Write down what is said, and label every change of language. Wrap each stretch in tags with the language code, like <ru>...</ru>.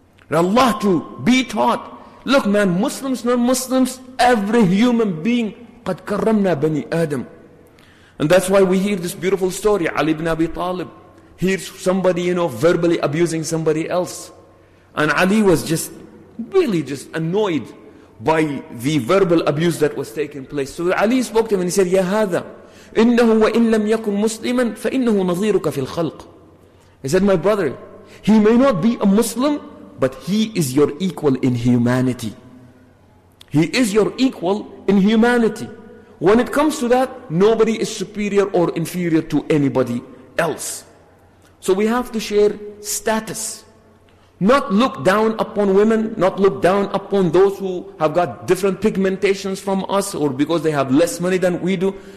<en>Allah to be taught. Look, man, Muslims, non-Muslims, every human being,</en> <ar>قَدْ كَرَّمْنَا بَنِي آدَمْ.</ar> <en>And that's why we hear this beautiful story. Ali ibn Abi Talib hears somebody, you know, verbally abusing somebody else. And Ali was just really just annoyed by the verbal abuse that was taking place. So Ali spoke to him and he said,</en> <ar>يَا هَذَا إِنَّهُ وَإِنْ لَمْ يَكُنْ مُسْلِمًا فَإِنَّهُ نَظِيرُكَ فِي الْخَلْقِ.</ar> <en>He said, my brother, he may not be a Muslim, but he is your equal in humanity. He is your equal in humanity. When it comes to that, nobody is superior or inferior to anybody else. So we have to share status. Not look down upon women, not look down upon those who have got different pigmentations from us or because they have less money than we do.</en>